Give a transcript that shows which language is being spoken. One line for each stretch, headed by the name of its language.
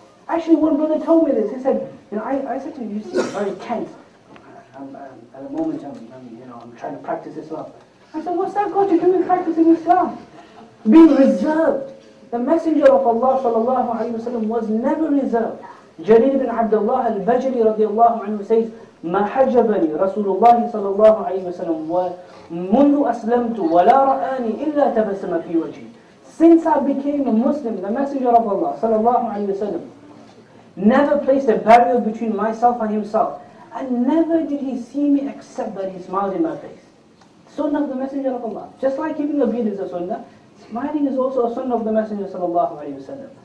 English: Actually, one brother told me this. He said, you know, I said to him, you seem very tense. At the moment, I'm trying to practice Islam. I said, what's that got to do with practicing Islam? Being reserved. The Messenger of Allah sallallahu alayhi wa sallam was never reserved. Jalil ibn Abdullah al-Bajri radiallahu anhu says,
Arabic: مَا حَجَبَنِي رَسُولُ اللَّهِ صَلَى اللَّهُ عَلَيْهِ وَسَلَمْ وَمُنْهُ أَسْلَمْتُ وَلَا رَآنِي إِلَّا تَبَسَّمَ فِي وَجْهِي.
English: Since I became a Muslim, the Messenger of Allah
Arabic: صلى الله عليه وسلم
English: never placed a barrier between myself and himself. And never did he see me except that he smiled in my face. Sunnah of the Messenger of Allah. Just like keeping a beard is a sunnah, smiling is also a sunnah of the Messenger
Arabic: صلى الله عليه وسلم.